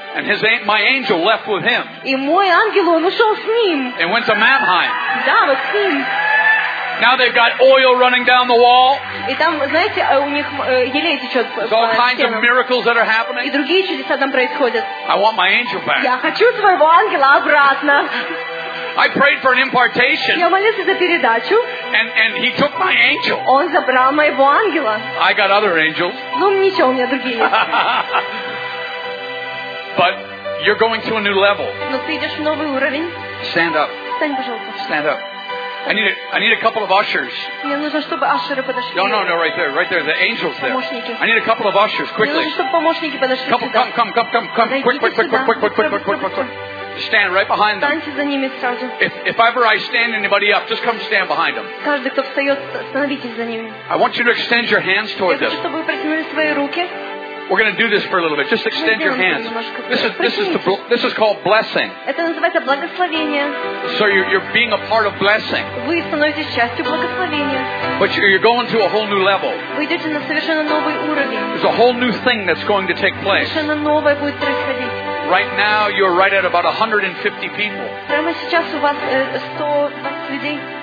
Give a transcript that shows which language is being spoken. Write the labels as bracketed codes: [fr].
[en] And my angel left with him. [ru] И мой ангел ушел с ним. [en] And went to Mannheim. [ru] Да, вот с ним. [en] Now they've got oil running down the wall. [ru] И там, знаете, у них еле течет по стенам. [en] All kinds of miracles that are happening. [ru] И другие чудеса там происходят. [en] I want my angel back. [ru] Я хочу своего ангела обратно. [en] I prayed for an impartation. [ru] Я молился за передачу. [en] And he took my angel. [ru] Он забрал моего ангела. [en] I got other angels. [ru] Ну ничего, у меня другие. [en] But you're going to a new level. [ru] Но ты идешь в новый уровень. [en] Stand up. [ru] Встань, пожалуйста. [en] Stand up. I need a couple of ushers. [ru] Мне нужно, чтобы ашеры подошли. [en] No, right there, the angels there. [ru] Помощники. [en] I need a couple of ushers quickly. [ru] Мне нужно, чтобы помощники подошли. [en] Come, quick. Stand right behind them. [ru] Встаньте за ними сразу. [en] If ever I stand anybody up, just come stand behind them. [ru] Каждый, кто встает, становитесь за ними. [en] I want you to extend your hands toward them. [ru] Я хочу, чтобы вы протянули свои руки. [en] We're going to do this for a little bit. Just extend your hands. This is called blessing. [ru] Это называется благословение. [en] So you're being a part of blessing. [ru] Вы становитесь частью благословения. [en] But you're going to a whole new level. [ru] Вы идете на совершенно новый уровень. [en] There's a whole new thing that's going to take place. [ru] Совершенно новое будет происходить. [en] Right now you're right at about 150 people. [ru] Прямо сейчас у вас 120 людей.